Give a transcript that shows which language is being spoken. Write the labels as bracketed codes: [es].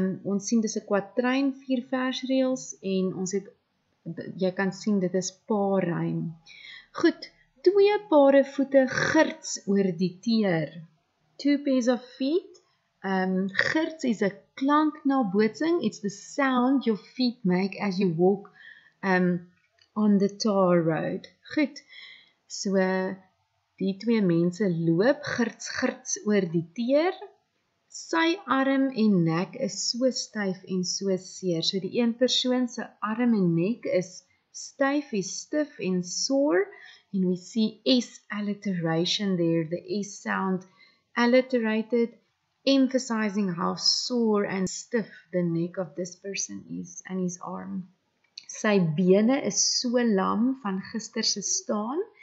[af] Ons sien dis 'n kwatryn, 4 vers reels, en ons het, jy kan sien dit is paarruim. Goed, twee pare voete girts oor die teer. [en] Two pairs of feet. Girts is a klanknabootsing. It's the sound your feet make as you walk on the tar road. [af] Goed, so die twee mense loop girts girts oor die teer. Sy arm en nek is so styf en so seer. So die een persoon se arm en nek is styf, is stiff en soor. [en] And we see S alliteration there, the S sound alliterated, emphasizing how sore and stiff the neck of this person is and his arm. [af] Sy bene is so lam van gister se staan.